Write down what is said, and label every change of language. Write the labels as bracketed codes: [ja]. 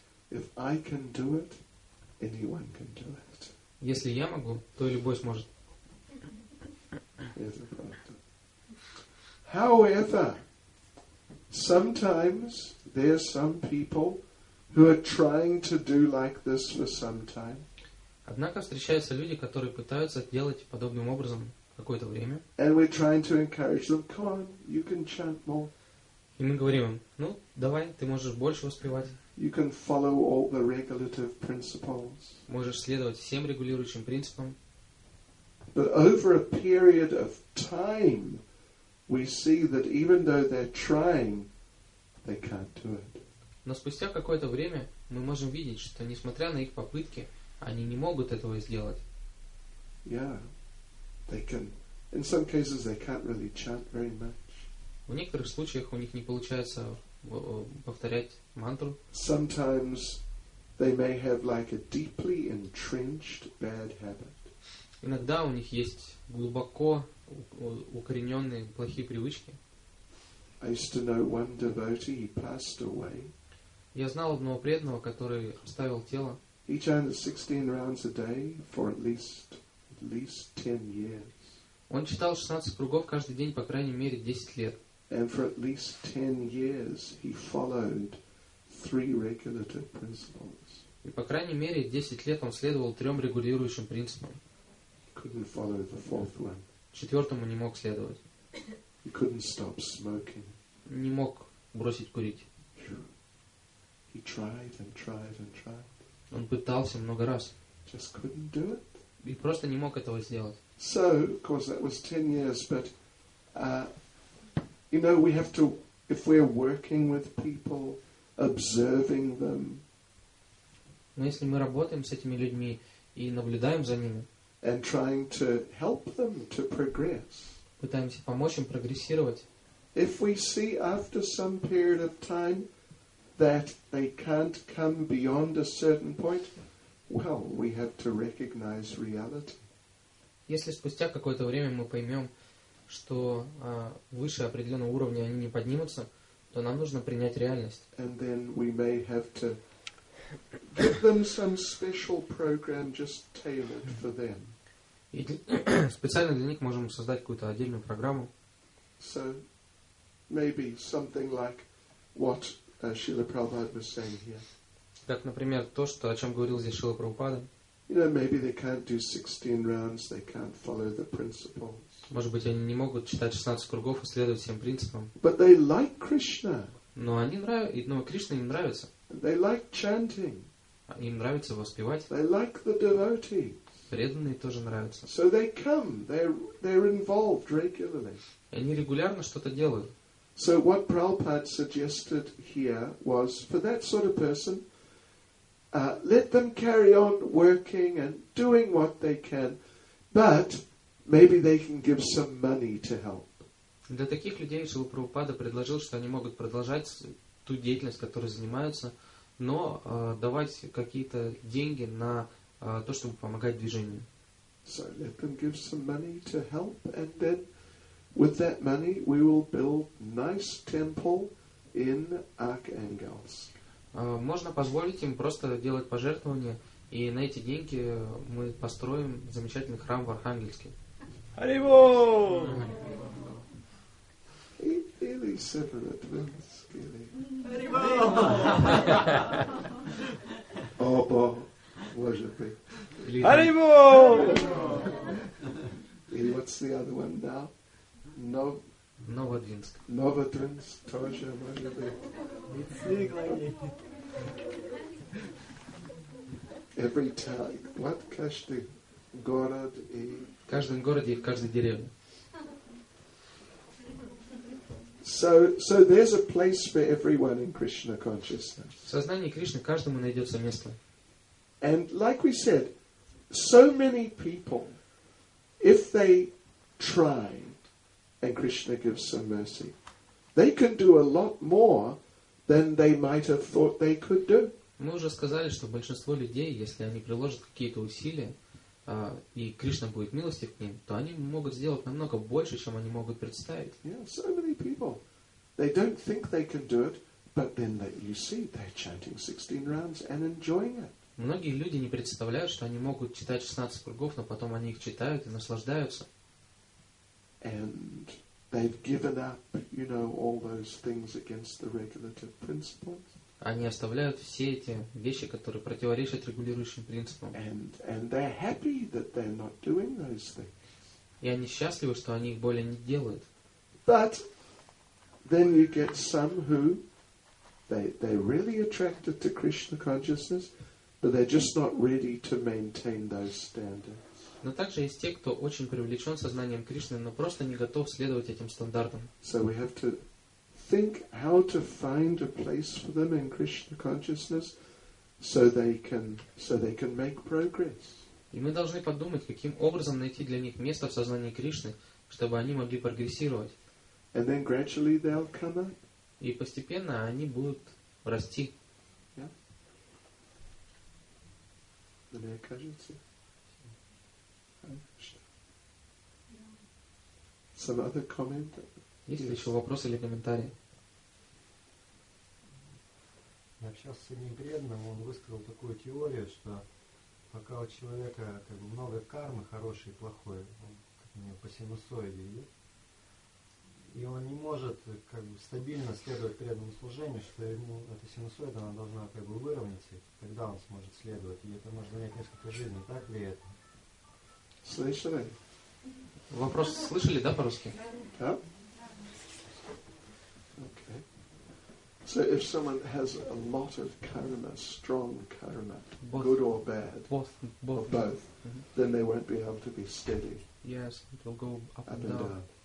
[en] If I can do it, anyone can do it. [ru] Если я могу, то любой сможет. [en] However, sometimes there are some people who are trying to do like this for some time. [ru] Однако встречаются люди, которые пытаются делать подобным образом какое-то время. [en] And we're trying to encourage them. Come on, you can chant more. [ru] И мы говорим им: ну, давай, ты можешь больше воспевать. [en] You can follow all the regulative principles. [ru] Можешь следовать всем регулирующим принципам. [en] But over a period of time, we see that even though they're trying, they can't do it. [ru] Но спустя какое-то время мы можем видеть, что несмотря на их попытки, они не могут этого сделать. [en] Yeah, they can. In some cases, they can't really chant very much. [ru] В некоторых случаях у них не получается повторять мантру. [en] Sometimes they may have like a deeply entrenched bad habit. [ru] Иногда у них есть глубоко укорененные плохие привычки. [en] I used to know one devotee, he passed away. [ru] Я знал одного преданного, который оставил тело. [en] He chanted 16 rounds a day for at least 10 years. [ru] Он читал 16 кругов каждый день по крайней мере 10 лет. [en] And for at least 10 years he followed three regulative principles. [ru] И по крайней мере 10 лет он следовал трем регулирующим принципам. [en] Couldn't follow the fourth one. [ru] Четвертому не мог следовать. [en] He couldn't stop smoking. [ru] Не мог бросить курить. [en] He tried and tried and tried. [ru] Он пытался много раз. [en] Just couldn't do it. [ru] И просто не мог этого сделать. [en] So, of course, that was 10 years, but you know, we have to, if we're working with people, observing them. [ru] Но если мы работаем с этими людьми и наблюдаем за ними. [en] And trying to help them to progress. [ru] Пытаемся помочь им прогрессировать. [en] If we see after some period of time that they can't come beyond a certain point, well, we have to recognize reality. [ru] Если спустя какое-то время мы поймем, что выше определенного уровня они не поднимутся, то нам нужно принять реальность. [en] And then we may have to give them some special program just tailored for them. [ru] И специально для них можем создать какую-то отдельную программу. [en] So, maybe something like what Srila Prabhupada was saying here. [ru] Как, например, то, что, о чем говорил здесь Шрила Прабхупада. [en] You know, maybe they can't do 16 rounds, they can't follow the principles. [ru] Может быть, они не могут читать 16 кругов и следовать всем принципам. [en] But they like Krishna. [ru] Но Кришна им нравится. [en] They like chanting. [ru] Им нравится воспевать. [en] They like the devotees. [ru] Преданные тоже нравятся. [en] So they come, they're involved regularly. [ru] И они регулярно что-то делают. [en] So what Prabhupada suggested here was for that sort of person, let them carry on working and doing what they can, but maybe they can give some money to help. [ru] Для таких людей Шрила Прабхупада предложил, что они могут продолжать ту деятельность, которой занимаются, но давать какие-то деньги на то, чтобы помогать движению. [en] So let them give some money to help, and then with that money we will build nice temple in Arkhangelsk. [ru] Можно позволить им просто делать пожертвования, и на эти деньги мы построим замечательный храм в Архангельске. [en] Hello! Oh, boy. pleasure be? Haribo! And what's the other one now? Novodvinsk. [ru] Novodvinsk, тоже может быть. [en] Every town, what? [ru] Каждый город и... В каждом городе и в каждой деревне. [en] So there's a place for everyone in Krishna consciousness. [ru] В сознании Кришны каждому найдется место. [en] And like we said, so many people, if they tried and Krishna gives some mercy, they can do a lot more than they might have thought they could do. [ru] Мы уже сказали, что большинство людей, если они приложат какие-то усилия, и Кришна будет милостив к ним, то они могут сделать намного больше, чем они могут представить. [en] Yeah, so many people. They don't think they can do it, but then you see they're chanting 16 rounds and enjoying it. [ru] Многие люди не представляют, что они могут читать 16 кругов, но потом они их читают и наслаждаются. [en] And they've given up, you know, all those things against the regulative principles. [ru] Они оставляют все эти вещи, которые противоречат регулирующим принципам. [en] And they're happy that they're not doing those things. [ru] И они счастливы, что они их более не делают. [en] But then you get some who they're really attracted to Krishna consciousness, but they're just not ready to maintain those standards. [ru] Но также есть те, кто очень привлечен сознанием Кришны, но просто не готов следовать этим стандартам. [en] So we have to think how to find a place for them in Krishna consciousness, so they can make progress. [ru] И мы должны подумать, каким образом найти для них место в сознании Кришны, чтобы они могли прогрессировать. [en] And then gradually they'll come up. [ru] И постепенно они будут расти. [en] Yeah. [ru] Мне кажется. [en] Some other comment? [ru] Есть ли еще вопросы или комментарии? Общался с одним преданным, он высказал такую теорию, что пока у человека как бы много кармы, хорошей и плохой, он по синусоиде идет, и он не может как бы стабильно следовать преданному служению, что ему эта синусоида она должна как бы выровняться, и тогда он сможет следовать, и это может занять несколько жизней, так ли это? Слышали? Вопрос слышали, да, по-русски? Да. [en] So if someone has a lot of karma, strong karma, both. Good or bad, both. Or both, mm-hmm. Then they won't be able to be steady. Yes, it will go up and down.